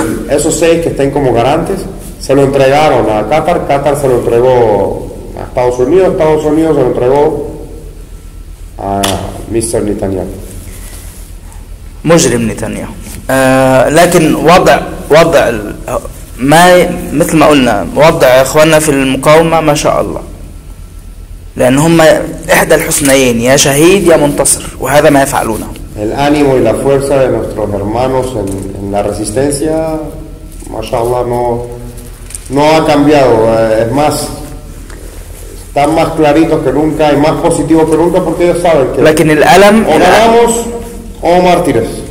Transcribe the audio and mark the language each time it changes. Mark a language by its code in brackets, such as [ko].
[es] Esos 6 que estén como garantes se lo entregaron a Qatar, Qatar se lo entregó a Estados Unidos se lo entregó a Mr. Netanyahu. [ar] مجرم نتنياهو. لكن وضع ما مثل ما قلنا وضع اخواننا في المقاومه ما شاء الله، لان هم احدى الحسنيين، يا شهيد يا منتصر، وهذا ما يفعلونه. [es] الانيمو y la fuerza de nuestros hermanos en la resistencia [ar] ما شاء الله [es] no ha cambiado, es más, están más claritos que nunca y más positivos que nunca porque ellos saben que [ar] لكن الالم [es] ganamos [ar] او [en] Martyrs.